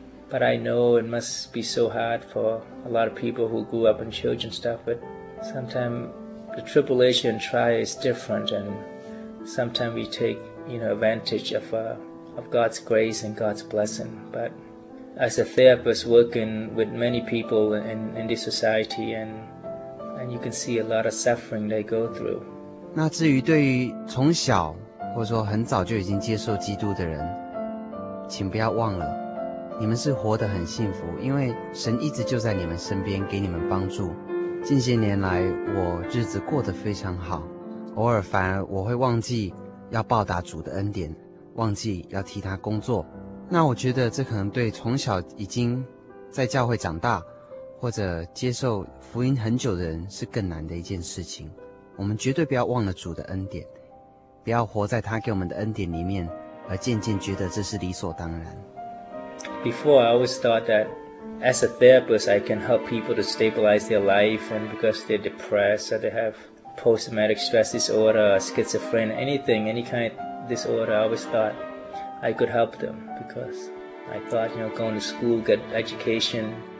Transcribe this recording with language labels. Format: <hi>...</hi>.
<en>But I know it must be so hard for a lot of people who grew up in church and stuff, but sometimes the tribulation and trial is different, and sometimes we take, you know, advantage of God's grace and God's blessing. But as a therapist working with many people in this society, and you can see a lot of suffering they go through.</en> <zh>那至于对于从小或者说很早就已经接受基督的人，请不要忘了，你们是活得很幸福，因为神一直就在你们身边给你们帮助。近些年来我日子过得非常好，偶尔反而我会忘记要报答主的恩典，忘记要替他工作。那我觉得这可能对从小已经在教会长大或者接受福音很久的人是更难的一件事情。我们绝对不要忘了主的恩典，不要活在他给我们的恩典里面而渐渐觉得这是理所当然。</zh> <en>Before I always thought that as a therapist I can help people to stabilize their life, and because they're depressed or they have post-traumatic stress disorder or schizophrenia, anything, any kind of disorder, I always thought I could help them, because I thought, you know, going to school, get education.</en>